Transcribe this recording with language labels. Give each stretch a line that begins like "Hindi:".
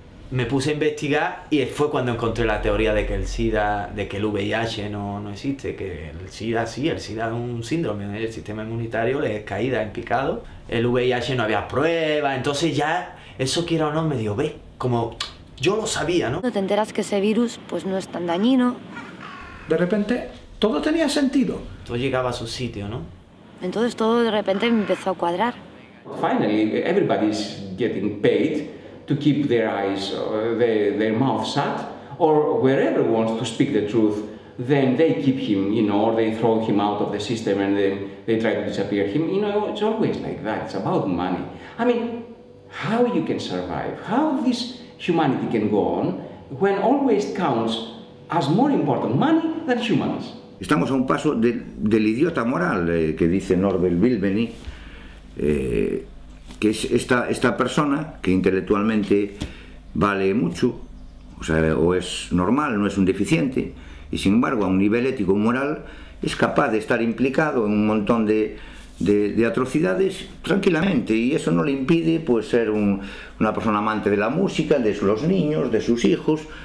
Spanish: Me puse a investigar y fue cuando encontré la teoría de que el SIDA, de que el VIH no existe, que el SIDA sí, el SIDA es un síndrome, el sistema inmunitario le es caída en picado, el VIH no había pruebas, entonces ya eso quiera o no me dio, ve, como yo lo sabía, ¿no? No te enteras que ese virus pues no es tan dañino. De repente todo tenía sentido. Todo llegaba a su sitio, ¿no? Entonces todo de repente me empezó a cuadrar.
English: Finally, everybody's getting paid to keep their eyes, their mouth shut, or wherever wants to speak the truth, then they keep him, you know, or they throw him out of the system and then they try to disappear him. You know, it's always like that. It's about money. I mean, how you can survive? How this humanity can go on when always counts as more important money than humans?
Spanish: Estamos a un paso del idiota moral que dice Norbert Wilbeny, que es esta persona que intelectualmente vale mucho, o sea, o es normal, no es un deficiente, y sin embargo a un nivel ético moral es capaz de estar implicado en un montón de atrocidades tranquilamente, y eso no le impide pues ser una persona amante de la música, de los niños, de sus hijos.